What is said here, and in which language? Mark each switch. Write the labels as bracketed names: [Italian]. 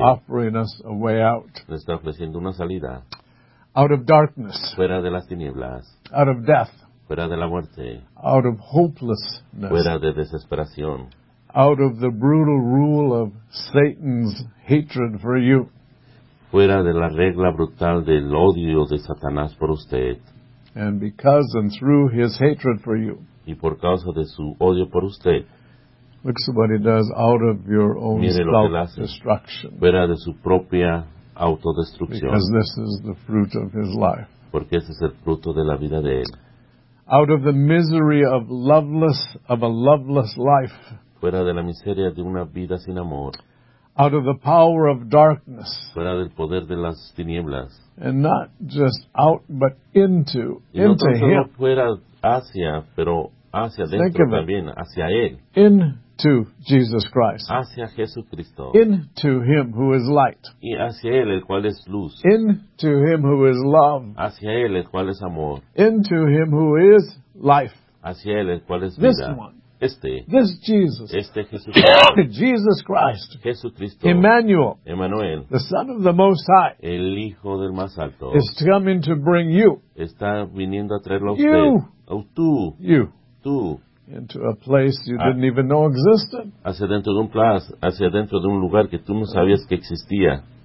[English] offering us a way out. [Spanish] Está ofreciendo una salida. [English] Out of darkness. [Spanish] Fuera de las tinieblas. [English] Out of death. [Spanish] Fuera de la muerte. [English] Out of hopelessness. [Spanish] Fuera de desesperación. [English] Out of the brutal rule of Satan's hatred for you. [Spanish] Fuera de la regla brutal del odio de Satanás por usted. [English] And because and through his hatred for you. [Spanish] Y por causa de su odio por usted. [English] Look what he does out of your own self-destruction. [Spanish] Fuera de su propia autodestrucción. [English] Because this is the fruit of his life. [Spanish] Porque ese es el fruto de la vida de él. [English] Out of the misery of a loveless life. [Spanish] Fuera de la miseria de una vida sin amor. [English] Out of the power of darkness. [Spanish] Fuera del poder de las tinieblas. [English] And not just out, but into him. [Spanish] Y no solo fuera hacia, pero hacia dentro también, hacia él. [English] Into Jesus Christ. [Spanish] Hacia Jesucristo. [English] Into him who is light. [Spanish] Y hacia él, el cual es luz. [English] Into him who is love. [Spanish] Hacia él, el cual es amor. [English] Into him who is life. [Spanish] Hacia él, el cual es vida. [English] This one. [Spanish] Este. [English] This Jesus. [Spanish] Este Jesucristo. [English] Jesus Christ. [Spanish] Jesucristo. [English] Emmanuel. [Spanish] Emmanuel. [English] The Son of the Most High. [Spanish] El Hijo del Más Alto. [English] Is coming to bring you. [Spanish] Está viniendo a traerlo a usted. [English] You. [Spanish] Oh, tú. [English] You. [Spanish] Tú. [English] Into a place you didn't even know existed. [Spanish] Hacia dentro de un place, hacia dentro de un lugar que tú no sabías que existía.